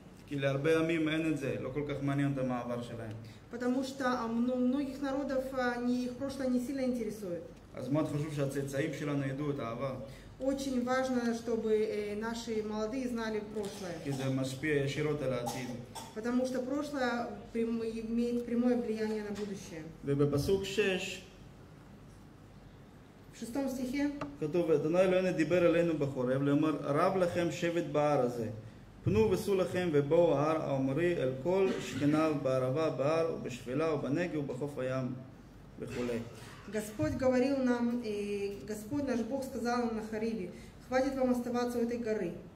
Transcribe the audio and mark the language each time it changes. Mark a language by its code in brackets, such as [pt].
[he] כי להרבה עמים אין את זה, לא כל כך מעניין את המעבר שלהם. [ru] Потому что многих народов их прошлое не сильно интересует. [he] אז מאוד חשוב שהצאצאים שלנו ידעו את העבר. [ru] Очень важно, чтобы наши молодые знали прошлое. [he] כי זה משפיע ישירות על העתיד. [ru] Потому что прошлое имеет прямое влияние на будущее. [he] ובפסוק 6, [ru] в шестом стихе, [he] כתוב, אדוני אלוהינו דיבר אלינו בחורב, לומר, רב לכם שבט בהר הזה. פנו וסעו לכם ובואו ההר העמורי אל כל שכניו בערבה, בהר, ובשפלה, ובנגב, ובחוף הים, וכו'. [ru] Господь говорил нам, и Господь наш Бог сказал нам на Хариве, хватит вам оставаться у этой горы.